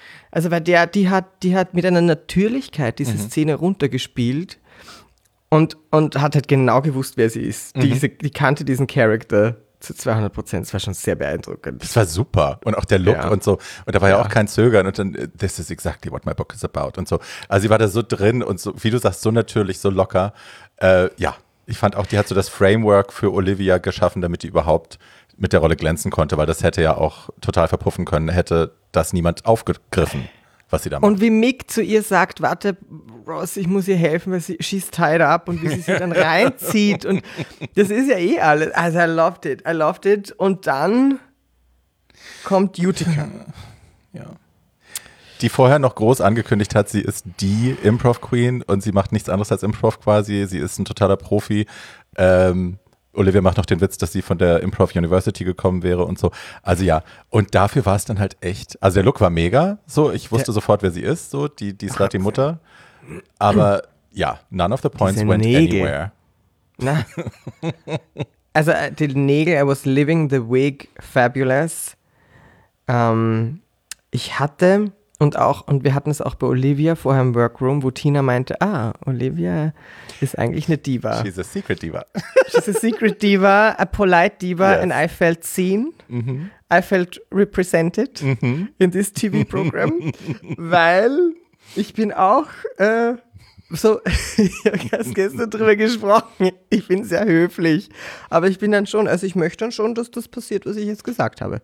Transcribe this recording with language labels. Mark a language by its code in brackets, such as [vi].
[de] Also weil die hat mit einer Natürlichkeit diese Szene runtergespielt und hat halt genau gewusst, wer sie ist. Die kannte diesen Charakter zu 200%. Das war schon sehr beeindruckend. Das war super. Und auch der Look und so. Und da war ja auch kein Zögern. Und dann, [en] this is exactly what my book is about [de] und so. Also sie war da so drin und so, wie du sagst, so natürlich, so locker. Ich fand auch, die hat so das Framework für Olivia geschaffen, damit die überhaupt mit der Rolle glänzen konnte, weil das hätte ja auch total verpuffen können, hätte das niemand aufgegriffen, was sie da macht. Und wie Mick zu ihr sagt, warte, Ross, ich muss ihr helfen, weil [en] she's tied up [de] und wie sie sie dann reinzieht und das ist ja eh alles. Also [en] I loved it. [de] Und dann kommt Utica. Ja. Die vorher noch groß angekündigt hat, sie ist die Improv-Queen und sie macht nichts anderes als Improv quasi. Sie ist ein totaler Profi. Olivia macht noch den Witz, dass sie von der Improv University gekommen wäre und so. Also ja, und dafür war es dann halt echt, also der Look war mega, so, ich wusste sofort, wer sie ist, so, die ist die Mutter. Aber ja, [en] none of the points [de] diese [en] went [de] Nägel. [en] Anywhere. [de] Na. Also die Nägel, [en] I was living the wig fabulous. [de] Ich hatte, und wir hatten es auch bei Olivia vorher im Workroom, wo Tina meinte, Olivia ist eigentlich eine Diva. [en] She's a secret Diva. She's a secret Diva, a polite Diva, yes. And I felt seen. Mm-hmm. I felt represented in this TV program, [de] weil ich bin auch ich habe gestern drüber gesprochen, ich bin sehr höflich, aber ich bin dann schon, also ich möchte dann schon, dass das passiert, was ich jetzt gesagt habe.